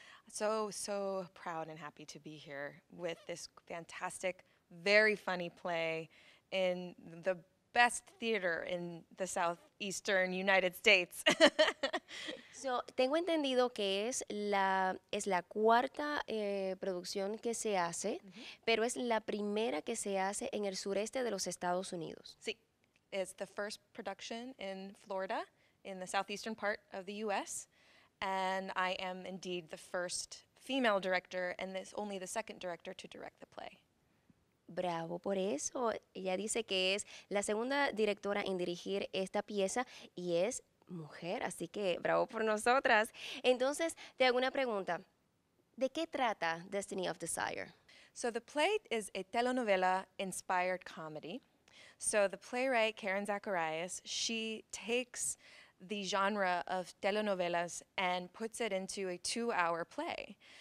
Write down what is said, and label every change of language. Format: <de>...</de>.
<en>So, so proud and happy to be here with this fantastic, very funny play in the best theater in the southeastern United States.</en> <es>So, tengo entendido que es la cuarta producción que se hace, pero es la primera que se hace en el sureste de los Estados Unidos.</es> <en>Sí, it's the first production in Florida, in the southeastern part of the U.S., and I am indeed the first female director and this only the second director to direct the play.</en> <es>Bravo por eso. Ella dice que es la segunda directora en dirigir esta pieza y es mujer, así que bravo por nosotras. Entonces, te hago una pregunta. ¿De qué trata Destiny of Desire?</es> <en>So the play is a telenovela inspired comedy. So the playwright Karen Zacharias, she takes the genre of telenovelas and puts it into a two-hour play.</en>